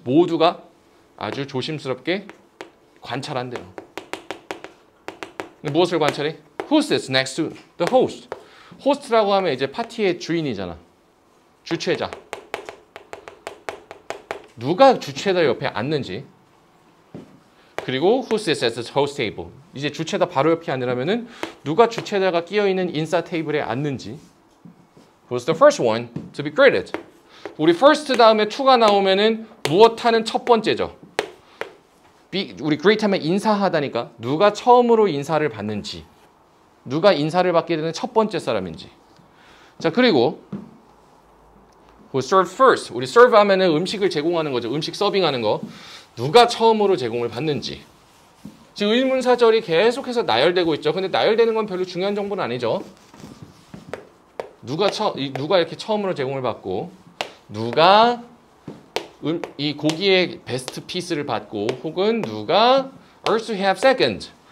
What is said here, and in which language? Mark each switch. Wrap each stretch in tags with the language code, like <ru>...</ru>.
<ko>모두가 아주 조심스럽게 관찰한대요. 무엇을 관찰해?</ko> <en>Who sits next to the host?</en> <ko>호스트라고 하면 이제 파티의 주인이잖아. 주최자. 누가 주최자 옆에 앉는지.</ko> <en>그리고 Who sits at the host table?</en> <ko>이제 주최자 바로 옆에 앉으라면은 누가 주최자가 끼어 있는 인사 테이블에 앉는지.</ko> <en>Who's the first one to be greeted?</en> <ko>우리 first 다음에 to가 나오면은 무엇하는 첫 번째죠. Be, 우리 greet 하면 인사하다니까. 누가 처음으로 인사를 받는지. 누가 인사를 받게 되는 첫 번째 사람인지.</ko> <en>자, 그리고 Who served first?</en> <ko>우리 serve 하면은 음식을 제공하는 거죠. 음식 서빙하는 거. 누가 처음으로 제공을 받는지. 지금 의문사절이 계속해서 나열되고 있죠. 근데 나열되는 건 별로 중요한 정보는 아니죠. 누가 이렇게 처음으로 제공을 받고 누가 이 고기의 베스트 피스를 받고 혹은 누가</ko> <en>Earth to have second.</en>